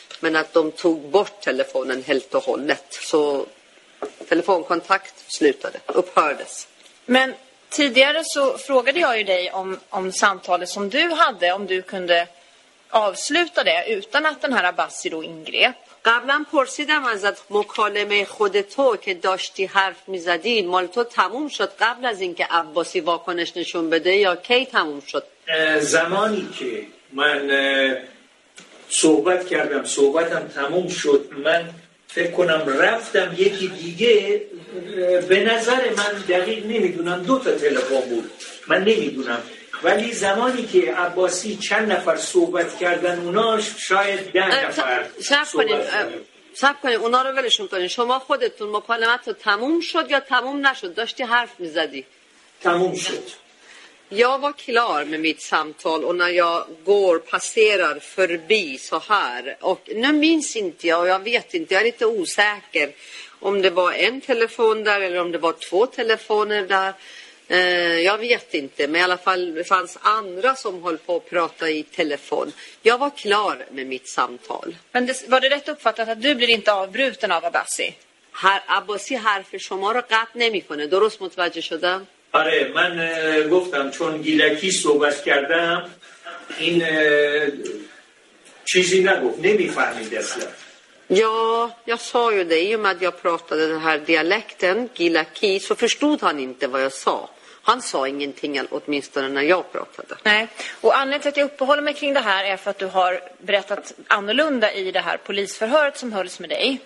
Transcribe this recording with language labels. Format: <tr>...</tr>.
<sv>Men att de tog bort telefonen helt och hållet. Så telefonkontakt slutade, upphördes. Men tidigare så frågade jag ju dig om samtalet som du hade. Om du kunde avsluta det utan att den här Abassi då ingrep.</sv> <fa>قبلن پرسیدم از ات مکالمه خود تو که داشتی حرف میزدی مال تو تموم شد قبل از اینکه عباسی واکنش نشون بده یا کی تموم شد؟ زمانی که من صحبت کردم، صحبتم تموم شد، من فکر کنم رفتم، یکی دیگه به نظر من دقیق نمیدونم دو تا تلفن بود، من نمیدونم، ولی زمانی که عباسی چند نفر صحبت کردن اوناش شاید ده نفر صحبت کنیم اونا رو ولشون کنیم. شما خودتون مکالمت رو تموم شد یا تموم نشد؟ داشتی حرف میزدی؟ تموم شد.</fa> <sv>Jag var klar med mitt samtal och när jag går, passerar förbi så här. Och nu minns inte jag, jag vet inte, jag är lite osäker om det var en telefon där eller om det var två telefoner där. Jag vet inte, men i alla fall det fanns andra som höll på att prata i telefon. Jag var klar med mitt samtal. Men det, var det rätt uppfattat att du blir inte avbruten av Abbasi?</sv> <fa>Abbasi حرف شما رو قطع نمی‌کنه. درست متوجه شدم؟ آره، من گفتم چون گیلکی صحبت کردم این چیزی نگفت، نمیفهمید اصلا.</fa> <sv>Ja, jag sa ju det. I och med att jag pratade den här dialekten, gilaki, så förstod han inte vad jag sa. Han sa ingenting, åtminstone när jag pratade. Nej, och anledningen till att jag uppehåller mig kring det här är för att du har berättat annorlunda i det här polisförhöret som hölls med dig.</sv>